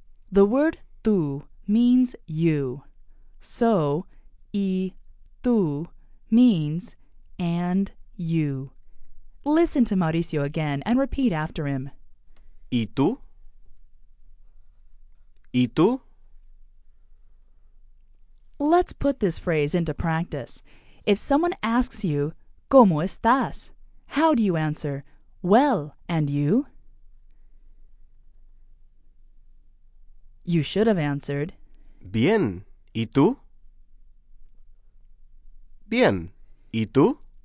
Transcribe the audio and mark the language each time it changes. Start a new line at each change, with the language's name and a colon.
English: The word tú means you. So,
Spanish: y tú
English: means and you. Listen to Mauricio again and repeat after him.
Spanish: ¿Y tú? ¿Y tú?
English: Let's put this phrase into practice. If someone asks you,
Spanish: ¿cómo estás?
English: How do you answer, well, and you? You should have answered,
Spanish: bien, ¿y tú? Bien, ¿y tú?